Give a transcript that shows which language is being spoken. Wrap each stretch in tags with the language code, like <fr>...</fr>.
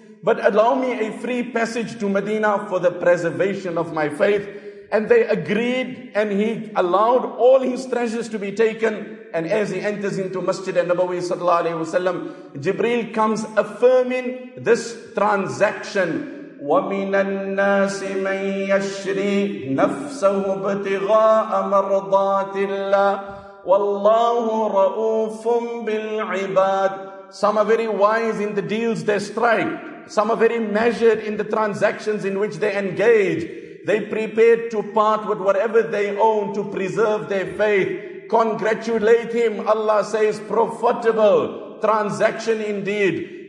<en>But allow me a free passage to Medina for the preservation of my faith." And they agreed, and he allowed all his treasures to be taken. And as he enters into Masjid al-Nabawi sallallahu alayhi wa sallam, Jibreel comes affirming this transaction.</en> <ar>ومن الناس من يشري نفسه ابتغاء مرضات الله والله رؤوف بالعباد.</ar> <en>Some are very wise in the deals they strike. Some are very measured in the transactions in which they engage. They prepared to part with whatever they own to preserve their faith. Congratulate him, Allah says, profitable transaction indeed.</en>